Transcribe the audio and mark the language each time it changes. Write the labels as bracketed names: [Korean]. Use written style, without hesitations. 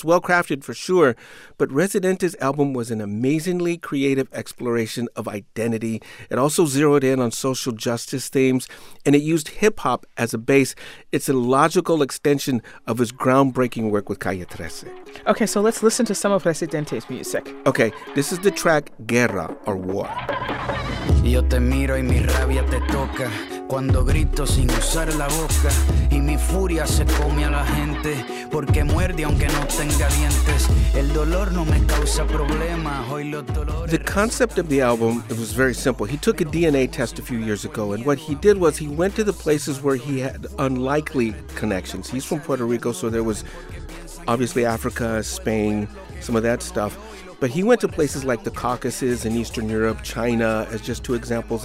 [English] It's well-crafted, for sure, but Residente's album was an amazingly creative exploration of identity. It also zeroed in on social justice themes, and it used hip-hop as a base. It's a logical extension of his groundbreaking work with Calle 13. Okay, so let's listen to some of Residente's music. Okay, this is the track Guerra, or War. [Spanish] Yo te miro y mi rabia te toca cuando grito sin usar la boca y mi furia se come a la gente porque muerde aunque no tenga dientes. El dolor no me causa problema. Hoy los dolores. [English] The concept of the album, it was very simple. He took a DNA test a few years ago, and what he did was he went to the places where he had unlikely connections. He's from Puerto Rico, so there was obviously Africa, Spain, some of that stuff. But he went to places like the Caucasus in Eastern Europe, China, as just 2 examples.